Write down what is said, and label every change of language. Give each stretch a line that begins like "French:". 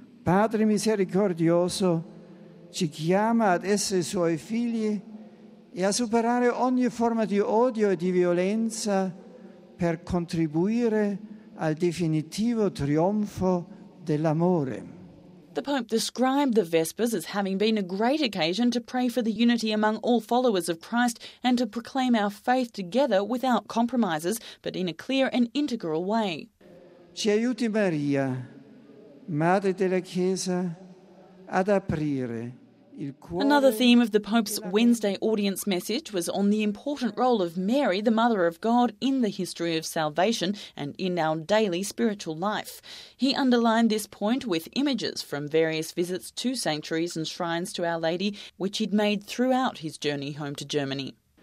Italian: Padre misericordioso, ci chiama ad essere suoi figli e a superare ogni forma di odio e di violenza per contribuire al definitivo trionfo dell'amore.
English: The Pope described the Vespers as having been a great occasion to pray for the unity among all followers of Christ and to proclaim our faith together without compromises, but in a clear and integral way.
Italian: Ci aiuti Maria, Madre della Chiesa, ad aprire.
English: Another theme of the Pope's Wednesday audience message was on the important role of Mary, the Mother of God, in the history of salvation and in our daily spiritual life. He underlined this point with images from various visits to sanctuaries and shrines to Our Lady, which he'd made throughout his journey home to Germany.